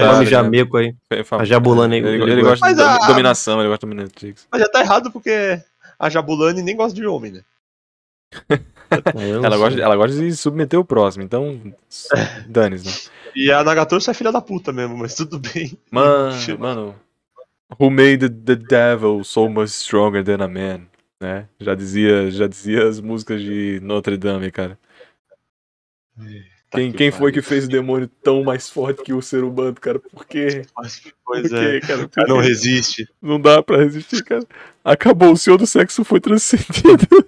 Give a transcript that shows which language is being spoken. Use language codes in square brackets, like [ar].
[pt] Jameco aí. A Jabulani. Ele gosta de dominação, ele gosta de dominatrix. Mas já tá errado porque a Jabulani nem gosta de homem, né? Ela gosta de submeter o próximo, então dane-se, né? E a Nagatoro é filha da puta mesmo, mas tudo bem. Mano. [en] Who made the devil so much stronger than a man? [pt] Né? Já dizia as músicas de Notre Dame, cara. Quem foi que fez o demônio tão mais forte que o ser humano, cara? Por quê? Pois é, cara, porque não resiste. Não dá pra resistir, cara. Acabou, o senhor do sexo foi transcendido.